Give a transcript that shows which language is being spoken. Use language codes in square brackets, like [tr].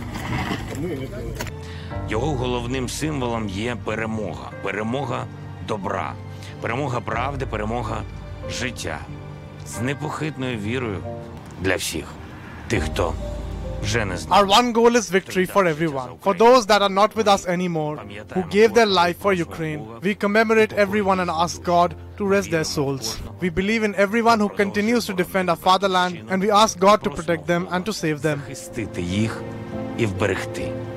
[uk] Христу головним символом є перемога. Перемога добра. Перемога правди, перемога життя. З непохитною вірою для всіх тих, хто вже не знає. [en] Our one goal is victory for everyone. For those that are not with us anymore, who gave their life for Ukraine, we commemorate everyone and ask God to rest their souls. We believe in everyone who continues to defend our fatherland, and we ask God to protect them and to save them. [uk] Захистити їх і вберегти.